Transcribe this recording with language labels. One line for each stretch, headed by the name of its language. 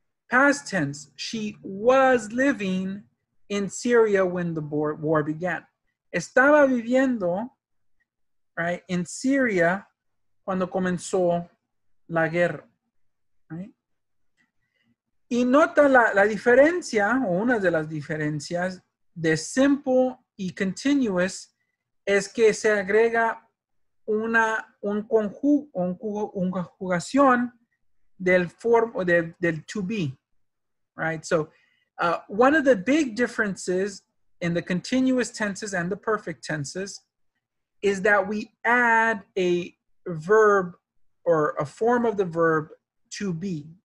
English: Past tense, she was living in Syria when the war began.
Spanish: Estaba viviendo, right,
English: in Syria
Spanish: cuando comenzó la guerra, right? Y nota la diferencia, o una de las diferencias, de simple y continuous, es que se agrega una conjugación del form o del to be, right?
English: So, one of the big differences in the continuous tenses and the perfect tenses is that we add a verb or a form of the verb to be.